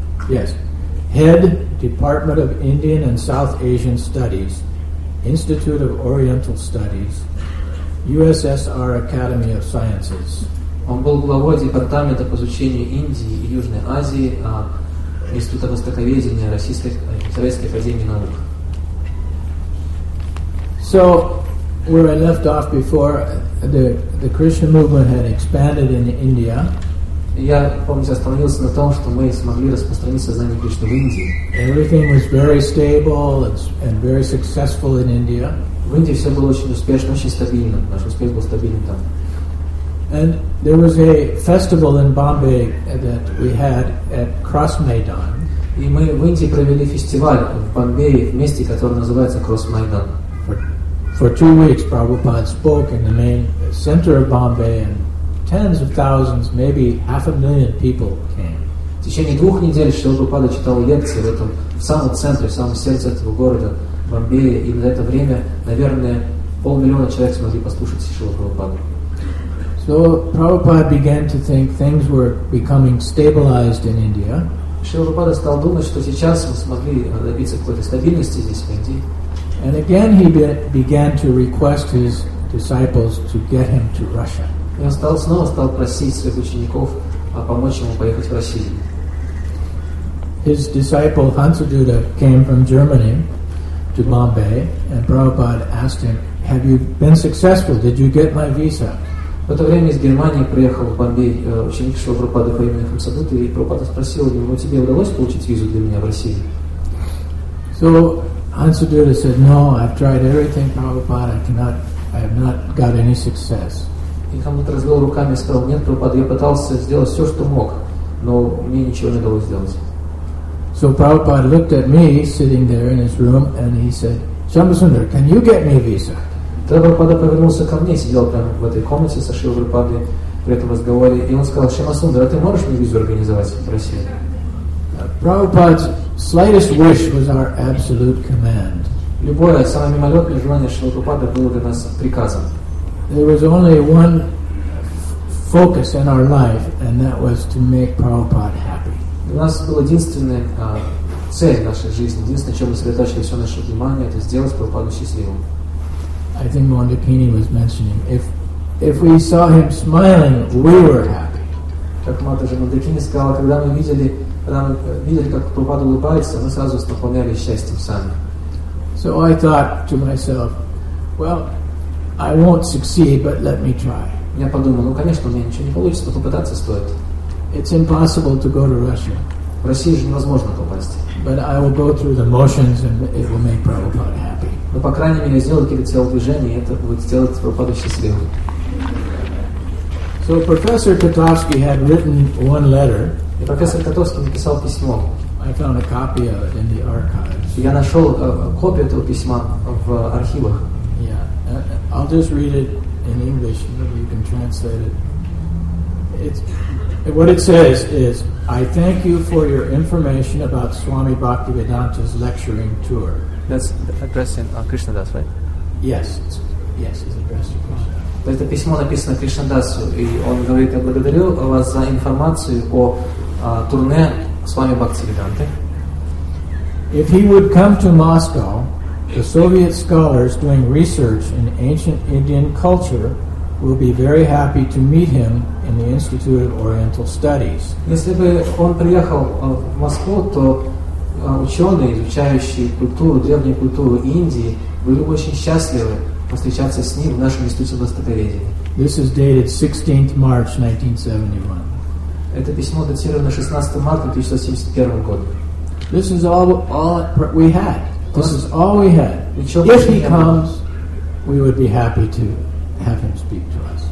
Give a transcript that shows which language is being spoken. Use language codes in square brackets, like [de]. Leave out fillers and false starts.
[en] Yes. Head Department of Indian and South Asian Studies, Institute of Oriental Studies, USSR Academy of Sciences. [ru] Он был главой департамента по изучению Индии и Южной Азии Института Востоковедения Советской Академии Наук. [en] So, where I left off before, the Krishna movement had expanded in India. [ru] Я помню, остановился на том, что мы смогли распространить сознание Кришны в Индии. [en] Everything was very stable and very successful in India. [ru] В Индии все было очень успешно, очень стабильно. Наш успех был стабильным там. [en] And there was a festival in Bombay that we had at Cross Maidan. [ru] И мы в Индии провели фестиваль в Бомбее, в месте, которое называется Cross Maidan. [en] For 2 weeks, Prabhupada spoke in the main center of Bombay, and tens of thousands, maybe 500,000 people came. [ru] В течение 2 недель Шрила Прабхупада читал лекции в этом самом центре, в самом сердце этого города Бомбея, и на это время, наверное, 500,000 человек смогли послушать Шрила Прабхупаду. [en] So Prabhupada began to think things were becoming stabilized in India. [ru] Шрила Прабхупада стал думать, что сейчас мы смогли добиться какой-то стабильности здесь в Индии. [en] And again he began to request his disciples to get him to Russia. [ru] И он снова стал просить своих учеников помочь ему поехать в Россию. [en] His disciple Hansaduda came from Germany to Bombay, and Prabhupada asked him, "Have you been successful? Did you get my visa?" [ru] В это время из Германии приехал в Бомбей ученик Шрилы Прабхупады по имени Хансадута, и Прабхупада спросил его, "Тебе удалось получить визу для меня в России?" [en] So Hansaduda said, "No, I've tried everything, Prabhupada. I have not got any success." [ru] И Хансадута развел руками и сказал, "Нет, Прабхупада, я пытался сделать все, что мог, но мне ничего не удалось сделать." [en] So Prabhupada looked at me sitting there in his room, and he said, "Chambasundar, can you get me a visa?" [ru] Тогда Прабхупада повернулся ко мне, сидел прямо в этой комнате со Шрилой Прабхупадой при этом разговоре, и он сказал, "Чамасундар, а ты можешь мне визу организовать в России?" [en] Prabhupada's slightest wish was our absolute command. [ru] Любое самое мимолетное желание Шрилы Прабхупады было для нас приказом. [en] There was only one focus in our life, and that was to make Prabhupada happy. [ru] У нас была единственная цель в нашей жизни, единственное, чем мы сосредоточили все наше внимание, это сделать Прабхупаду счастливым. [en] I think Mandakini was mentioning, if we saw him smiling, we were happy. [ru] Как Матаджи Мандакини сказала, когда мы видели как Прабхупада улыбается, мы сразу наполняли счастьем сами. [en] So I thought to myself, well, I won't succeed, but let me try. [ru] Я подумал, конечно, у меня ничего не получится, попытаться стоит. [en] It's impossible to go to Russia. [ru] В Россию же невозможно попасть. [en] But I will go through the motions and it will make Prabhupada happy. [ru] Но, по крайней мере, сделать какие-то телодвижения, и это будет сделать Прабхупаду счастливым. [en] So Professor Kotovsky had written one letter. [ru] И профессор Котовский написал письмо. [en] I found a copy of it in the archives. [ru] Я нашел копию этого письма в архивах. [en] Yeah. I'll just read it in English. Maybe you can translate it. What it says is, "I thank you for your information about Swami Bhaktivedanta's lecturing tour." That's addressing Krishna Das, right? Yes. Yes, it's addressed to Krishna. [ru] Это письмо написано Кришнадасу, и он говорит, я благодарю вас за информацию о турне с вами Бхактивиданты. [en] If he would come to Moscow, the Soviet scholars doing research in ancient Indian culture will be very happy to meet him in the Institute of Oriental Studies. [ru] Если бы он приехал в Москву, то ученые, изучающие культуру, древнюю культуру Индии, были бы очень счастливы встречаться с ним в нашем Институте востоковедения. [en] This is dated 16th March 1971. [ru] Это письмо датировано 16 марта 1971 года. [en] This is all we had. This is all we had. If he comes, we would be happy to have him speak to us.